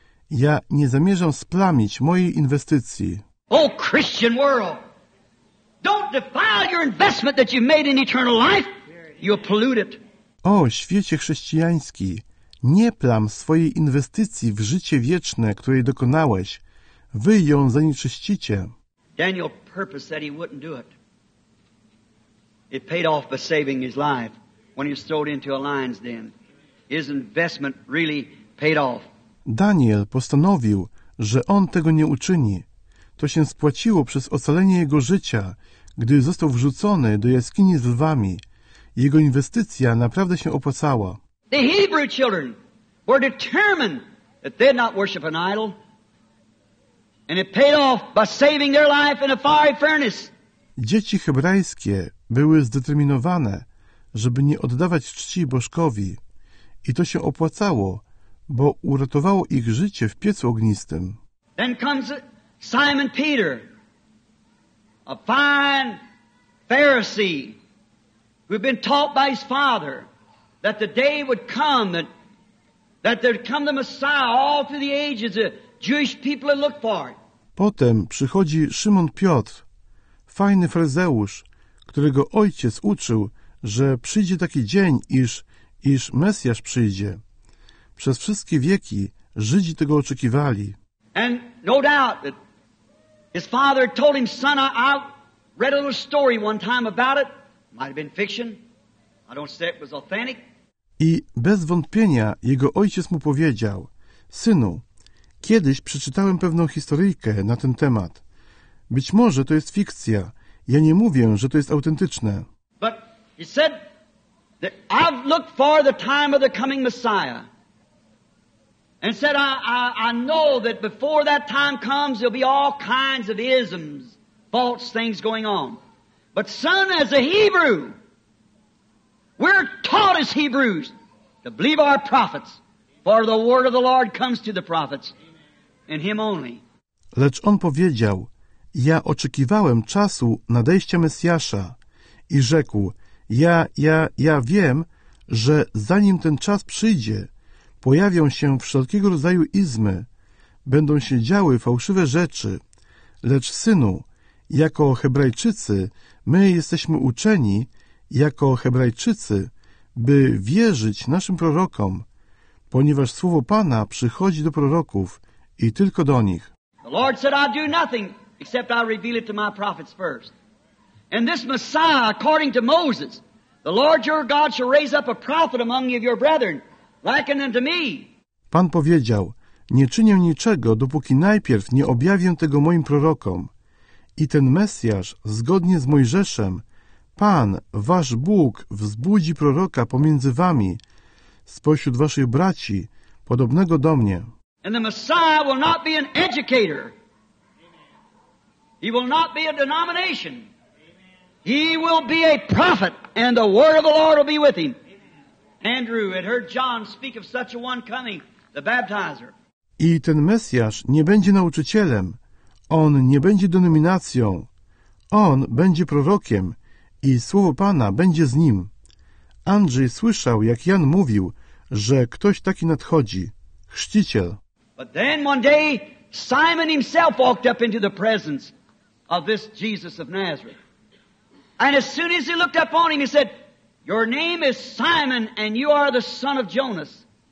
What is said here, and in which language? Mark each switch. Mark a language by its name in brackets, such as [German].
[Polish] Ja nie zamierzam splamić mojej inwestycji. [English] O, Christian world! Don't defile your investment that you've made in eternal life! You'll pollute it. [Polish] O, świecie chrześcijański, nie plam swojej inwestycji w życie wieczne, której dokonałeś. Wy ją zanieczyścicie. [English] Daniel purposed that he wouldn't do it. It paid off by saving his life when he was thrown into a lion's den. His investment really paid off. [Polish] Daniel postanowił, że on tego nie uczyni. To się spłaciło przez ocalenie jego życia, gdy został wrzucony do jaskini z lwami. Jego inwestycja naprawdę się opłacała. [English] The Hebrew children were determined that they'd not worship an idol. And it paid off by saving their life in a fiery furnace. [Polish] Dzieci hebrajskie były zdeterminowane, żeby nie oddawać czci bożkowi. I to się opłacało, bo uratowało ich życie w piecu ognistym. [English] Then comes Simon Peter, a fine Pharisee. We've been taught by his father that the day would come that there'd come the Messiah all through the ages the Jewish people had looked for. [Polish] Potem przychodzi Szymon Piotr, fajny faryzeusz, którego ojciec uczył, że przyjdzie taki dzień, iż Mesjasz przyjdzie. Przez wszystkie wieki Żydzi tego oczekiwali. [English] And no doubt that his father told him, son, I read a little story one time about it. Might have been fiction. I don't say it was authentic. [Polish] I bez wątpienia jego ojciec mu powiedział, synu, kiedyś przeczytałem pewną historyjkę na ten temat. Być może to jest fikcja. Ja nie mówię, że to jest autentyczne. [English] But he said that I've looked for the time of the coming Messiah. And said I know that before that time comes there'll be all kinds of isms. false things going on. But son, as a Hebrew, we're taught as Hebrews to believe our prophets, for the word of the Lord comes to the prophets, and him only. [Polish] Lecz on powiedział, ja oczekiwałem czasu nadejścia Mesjasza i rzekł, ja wiem, że zanim ten czas przyjdzie, pojawią się wszelkiego rodzaju izmy, będą się działy fałszywe rzeczy. Lecz synu, jako Hebrajczycy, my jesteśmy uczeni, jako Hebrajczycy, by wierzyć naszym prorokom, ponieważ słowo Pana przychodzi do proroków i tylko do nich. [English] The Lord said, I'll do nothing except I reveal it to my prophets first. And this Messiah, according to Moses, the Lord your God shall raise up a prophet among you of your brethren, likened unto me. [Polish] Pan powiedział, nie czynię niczego, dopóki najpierw nie objawię tego moim prorokom. I ten Mesjasz, zgodnie z Mojżeszem, Pan, wasz Bóg, wzbudzi proroka pomiędzy wami, spośród waszych braci, podobnego do mnie. [English] And the Messiah will not be an educator. He will not be a denomination. He will be a prophet, and the word of the Lord will be with him. Andrew had heard John speak of such a one coming, the baptizer. [Polish] I ten Mesjasz nie będzie nauczycielem. On nie będzie denominacją. On będzie prorokiem i słowo Pana będzie z nim. Andrzej słyszał, jak Jan mówił, że ktoś taki nadchodzi. Chrzciciel. [English] But then one day, Simon himself walked up into the presence of this Jesus of Nazareth. And as soon as he looked up on him, he said, your name is Simon and you are the son of Jonas.